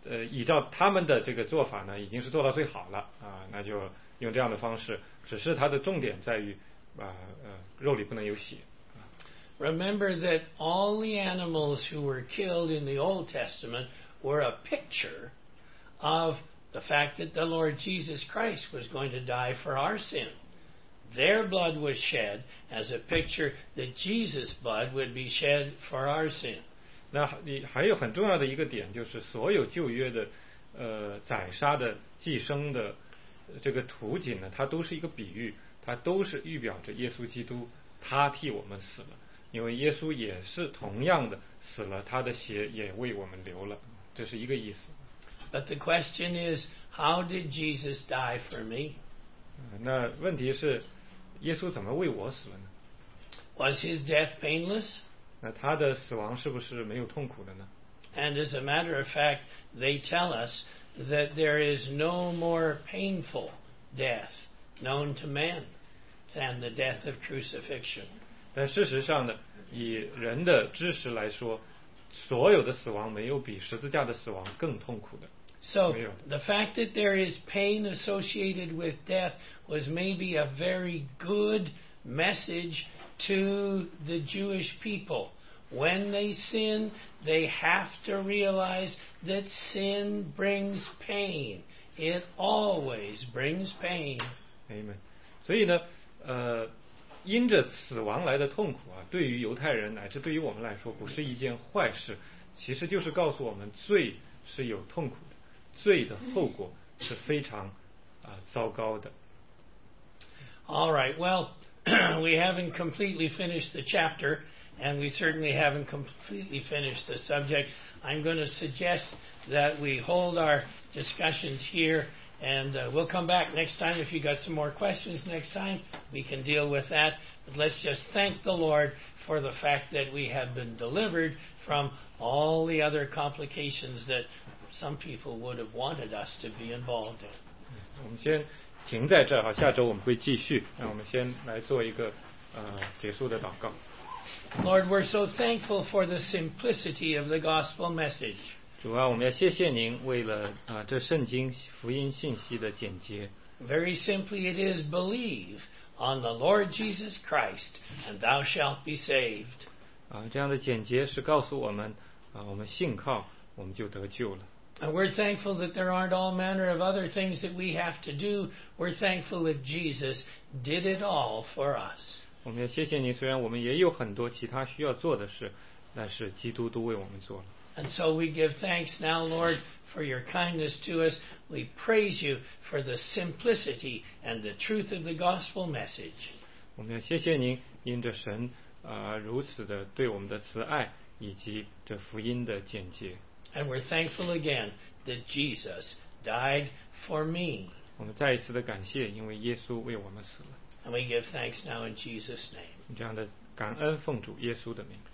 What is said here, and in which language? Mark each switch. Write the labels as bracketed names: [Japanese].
[Chinese] 依照他们的这个做法呢，已经是做到最好了啊，那就用这样的方式。只是它的重点在于，肉里不能有血。 [English] Remember that all the animals who were killed in the Old Testament were a picture of the fact that the Lord Jesus Christ was going to die for our sin. their blood was shed as a picture that Jesus' blood would be shed for our sin. [Chinese] 那还有很重要的一个点，就是所有旧约的宰杀的祭牲的这个图景呢，它都是一个比喻，它都是预表着耶稣基督他替我们死了，因为耶稣也是同样的死了，他的血也为我们流了，这是一个意思。 [English] But the question is, how did Jesus die for me? [Chinese] 那问题是，耶稣怎么为我死了呢？ [English] Was his death painless? [Chinese] 那他的死亡是不是没有痛苦的呢？ [English] And as a matter of fact, they tell us that there is no more painful death known to man than the death of crucifixion. [Chinese] 但事实上呢，以人的知识来说，所有的死亡没有比十字架的死亡更痛苦的。 [English] So the fact that there is pain associated with death was maybe a very good message to the Jewish people. When they sin, they have to realize that sin brings pain. It always brings pain. Amen. [Chinese] 所以呢，因着死亡来的痛苦啊，对于犹太人乃至对于我们来说不是一件坏事，其实就是告诉我们罪是有痛苦的，罪的后果是非常糟糕的。 [English] All right, well, we haven't completely finished the chapter and we certainly haven't completely finished the subject. I'm going to suggest that we hold our discussions hereAnd we'll come back next time. If you got some more questions next time, we can deal with that. But let's just thank the Lord for the fact that we have been delivered from all the other complications that some people would have wanted us to be involved in. [Chinese] 我们先停在这儿哈，下周我们会继续。那我们先来做一个结束的祷告。 [English] Lord, we're so thankful for the simplicity of the gospel message. [Chinese] 主啊，我们要谢谢您为了这圣经福音信息的简洁。 [English] Very simply it is, believe on the Lord Jesus Christ and thou shalt be saved. [Chinese] 这样的简洁是告诉我们我们信靠我们就得救了。 [English] We're thankful that there aren't all manner of other things that we have to do. We're thankful that Jesus did it all for us. [Chinese] 我们要谢谢您，虽然我们也有很多其他需要做的事，但是基督都为我们做了。 [English] And so we give thanks now, Lord, for your kindness to us. We praise you for the simplicity and the truth of the gospel message. [Chinese] 我们要谢谢您，因着神如此的对我们的慈爱，以及这福音的简洁。 [English] And we're thankful again that Jesus died for me. [Chinese] 我们再一次的感谢，因为耶稣为我们死了。 [English] And we give thanks now in Jesus' name. [Chinese] 这样的感恩奉主耶稣的名。